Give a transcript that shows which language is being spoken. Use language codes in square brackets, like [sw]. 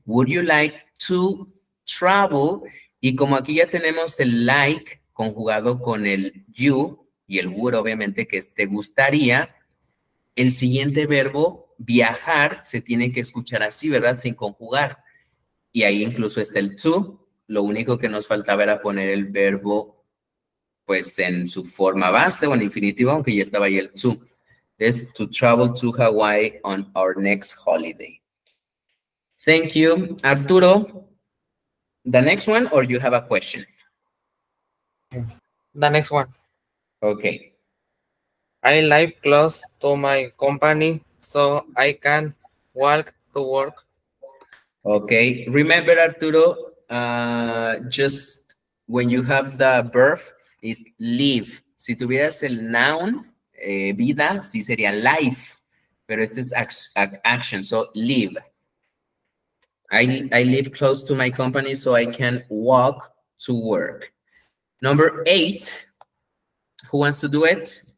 [en] Would you like to travel? [es] Y como aquí ya tenemos el like conjugado con el you, y el would, obviamente, que es te gustaría. El siguiente verbo, viajar, se tiene que escuchar así, ¿verdad? Sin conjugar. Y ahí incluso está el to. Lo único que nos faltaba era poner el verbo, pues, en su forma base o en infinitivo, aunque ya estaba ahí el to. [en] Es to travel to Hawaii on our next holiday. Thank you, Arturo. The next one, or you have a question? The next one. Okay. I live close to my company, so I can walk to work. Okay. Remember, Arturo, just when you have the verb, is live. [es] Si tuvieras el noun, vida, sí sería life. Pero este es [en] action, so live. I live close to my company, so I can walk to work. Number eight. Who wants to do it?